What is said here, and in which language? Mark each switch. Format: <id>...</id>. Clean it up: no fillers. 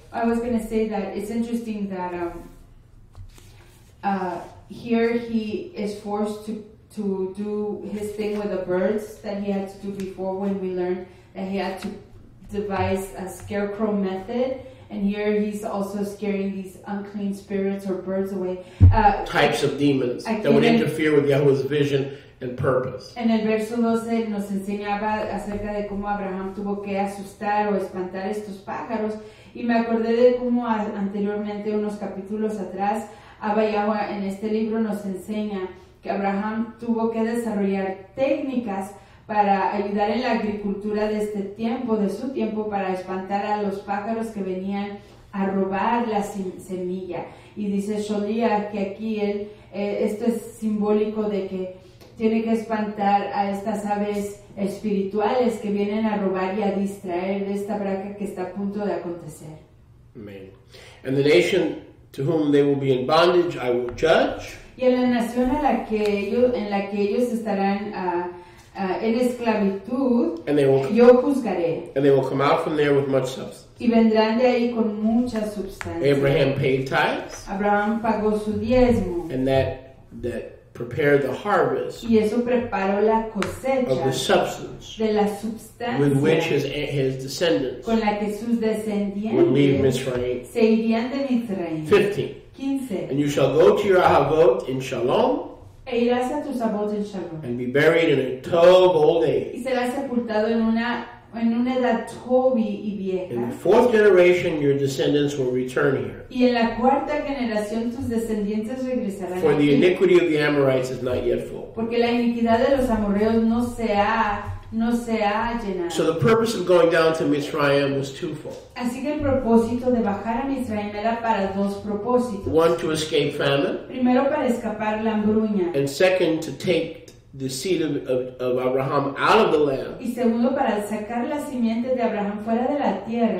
<en>I was going to say that it's interesting that here he is forced to do his thing with the birds that he had to do before, when we learned that he had to devise a scarecrow method. And here he's also scaring these unclean spirits or birds away. Types of demons that would interfere with Yahuwah's vision and purpose.</en> <es>En el verso 12 nos enseñaba acerca de cómo Abraham tuvo que asustar o espantar estos pájaros. Y me acordé de cómo anteriormente, unos capítulos atrás, Abba Yahuwah en este libro nos enseña que Abraham tuvo que desarrollar técnicas para ayudar en la agricultura de este tiempo, de su tiempo, para espantar a los pájaros que venían a robar la semilla. Y dice Sholia que aquí él, esto es simbólico de que tiene que espantar a estas aves espirituales que vienen a robar y a distraer de esta braca que está a punto de acontecer. Amen.</es> <en>And the nation to whom they will be in bondage, I will judge.</en> <es>Y en la nación a la que ellos, en la que ellos estarán en esclavitud, yo juzgaré.</es> <en>And they will come out from there with much substance.</en> <es>Y vendrán de ahí con mucha sustancia.</es> <en>Abraham paid tithes.</en> <es>Abraham pagó su diezmo.</es> <en>And that prepared the harvest.</en> <es>Y eso preparó la cosecha.</es> <en>Of the substance.</en> <es>De la sustancia.</es> <en>With which his descendants.</en> <es>Con la que sus descendientes.</es> <en>Would leave Mizraim.</en> <es>Se irían de Mizraim. 15. 15.</es> <en>And you shall go to your ahavot in shalom.</en> <es>E irás a tus abotes en Shalom.</es> <en>And be buried in a tub of old age.</en> <es>Y serás sepultado en una en una edad joven y vieja.</es> <en>In the fourth generation, your descendants will return here.</en> <es>Y en la cuarta generación, tus descendientes regresarán.</es> <en>For the iniquity of the Amorites is not yet full.</en> <es>Porque la iniquidad de los amorreos no se ha llenado.</es> <en>So the purpose of going down to Mitzrayim was twofold.</en> <es>Así que el propósito de bajar a Mitzrayim era para dos propósitos.</es> <en>One, to escape famine.</en> <es>Primero, para escapar la hambruña.</es> <en>And second, to take the seed of Abraham out of the land.</en> <es>Y segundo, para sacar las simientes de Abraham fuera de la tierra.</es>